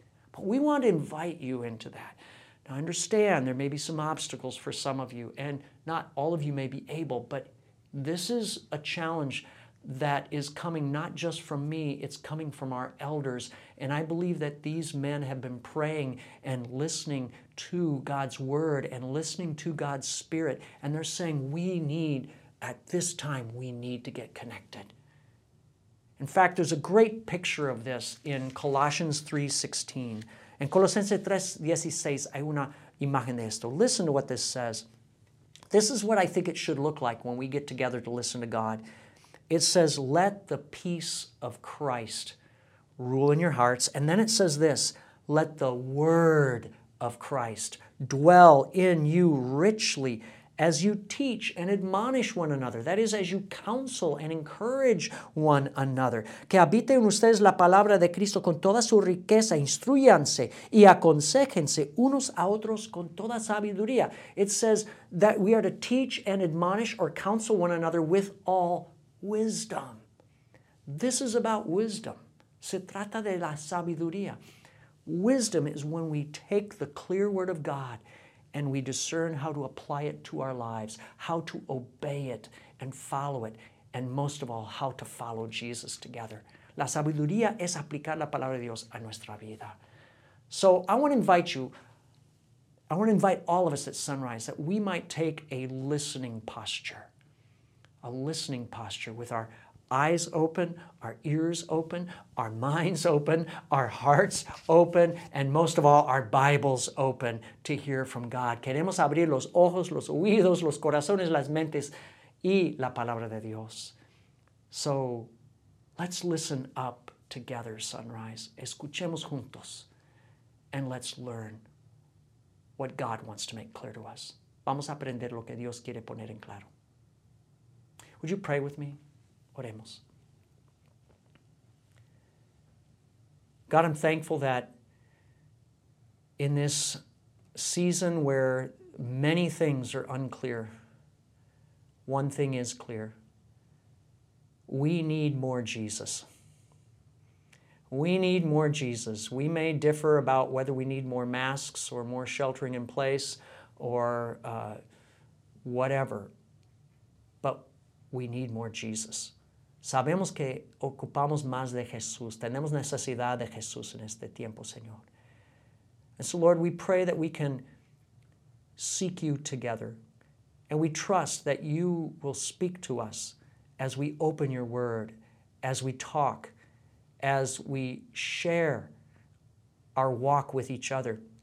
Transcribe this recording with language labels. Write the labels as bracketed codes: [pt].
[en] But we want to invite you into that. Now, understand there may be some obstacles for some of you, and not all of you may be able, but this is a challenge that is coming not just from me, it's coming from our elders. And I believe that these men have been praying and listening to God's word and listening to God's spirit. And they're saying, we need, at this time, we need to get connected. In fact, there's a great picture of this in Colossians 3:16. [es] En Colosenses 3:16 hay una imagen de esto. [en] Listen to what this says. This is what I think it should look like when we get together to listen to God. It says, let the peace of Christ rule in your hearts. And then it says this, let the word of Christ dwell in you richly as you teach and admonish one another. That is, as you counsel and encourage one another. [es] Que habite en ustedes la palabra de Cristo con toda su riqueza. Instruyanse y aconsejense unos a otros con toda sabiduría. [en] It says that we are to teach and admonish or counsel one another with all wisdom. This is about wisdom. [es] Se trata de la sabiduría. [en] Wisdom is when we take the clear word of God and we discern how to apply it to our lives, how to obey it and follow it, and most of all, how to follow Jesus together. [es] La sabiduría es aplicar la palabra de Dios a nuestra vida. [en] So I want to invite you, I want to invite all of us at Sunrise that we might take a listening posture. A listening posture with our eyes open, our ears open, our minds open, our hearts open, and most of all, our Bibles open to hear from God. [es] Queremos abrir los ojos, los oídos, los corazones, las mentes y la palabra de Dios. [en] So let's listen up together, Sunrise. [es] Escuchemos juntos [en] and let's learn what God wants to make clear to us. [es] Vamos a aprender lo que Dios quiere poner en claro. [en] Would you pray with me? [es] Oremos. [en] God, I'm thankful that in this season where many things are unclear, one thing is clear. We need more Jesus. We need more Jesus. We may differ about whether we need more masks or more sheltering in place or whatever. We need more Jesus. [es] Sabemos que ocupamos más de Jesús. Tenemos necesidad de Jesús en este tiempo, Señor. [en] And so, Lord, we pray that we can seek you together. And we trust that you will speak to us as we open your word, as we talk, as we share our walk with each other.